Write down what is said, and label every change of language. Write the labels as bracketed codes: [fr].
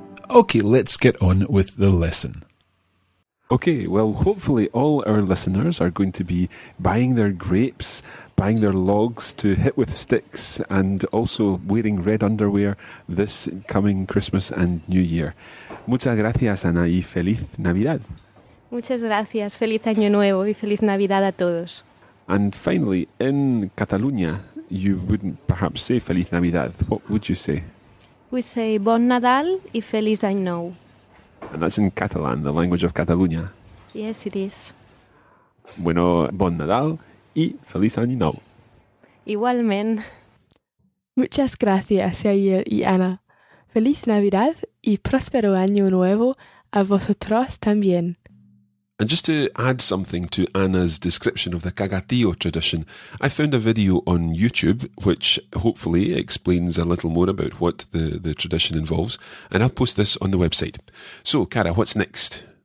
[en] Okay, let's get on with the lesson. Okay, well, hopefully all our listeners are going to be buying their grapes, buying their logs to hit with sticks, and also wearing red underwear this coming Christmas and New Year. [es] Muchas gracias, Ana, y feliz Navidad. Muchas gracias, feliz año nuevo y feliz Navidad a todos. [en] And finally, in Catalonia, you wouldn't perhaps say feliz Navidad. What would you say? We say bon Nadal [es] y feliz año nuevo. [en] And that's in Catalan, the language of Catalonia. Yes, it is. [es] Bueno, bon Nadal y feliz año nuevo. Igualmen. Muchas gracias, Yair y Ana. Feliz Navidad y próspero año nuevo a vosotros también. [en] And just to add something to Anna's description of the Cagatillo tradition, I found a video on YouTube, which hopefully explains a little more about what the tradition involves, and I'll post this on the website. So, Cara, what's next?